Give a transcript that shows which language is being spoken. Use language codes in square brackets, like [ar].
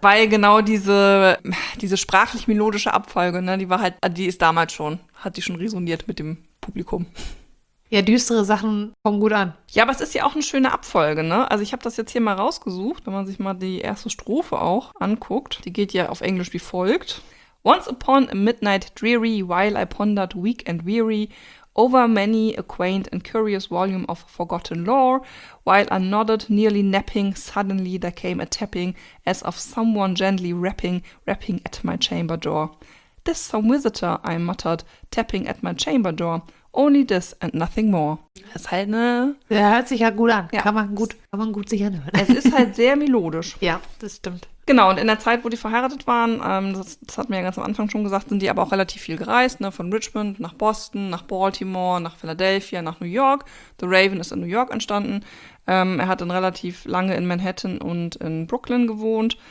[de] Weil genau diese sprachlich-melodische Abfolge, ne, die war halt, die ist damals schon, hat die schon resoniert mit dem Publikum. Ja, düstere Sachen kommen gut an. Ja, aber es ist ja auch eine schöne Abfolge, ne? Also ich habe das jetzt hier mal rausgesucht, wenn man sich mal die erste Strophe auch anguckt. Die geht ja auf Englisch wie folgt. [en] Once upon a midnight dreary, while I pondered weak and weary, over many a quaint and curious volume of forgotten lore, while I nodded, nearly napping, suddenly there came a tapping, as of someone gently rapping at my chamber door. This some visitor, I muttered, tapping at my chamber door, only this and nothing more. [de] Das ist halt eine... Der hört sich ja gut an. Ja. Kann man gut sich anhören. Es ist halt sehr melodisch. Ja, das stimmt. Genau, und in der Zeit, wo die verheiratet waren, das hatten wir ja ganz am Anfang schon gesagt, sind die aber auch relativ viel gereist, ne? Von Richmond nach Boston, nach Baltimore, nach Philadelphia, nach New York. The Raven ist in New York entstanden. Er hat dann relativ lange in Manhattan und in Brooklyn gewohnt.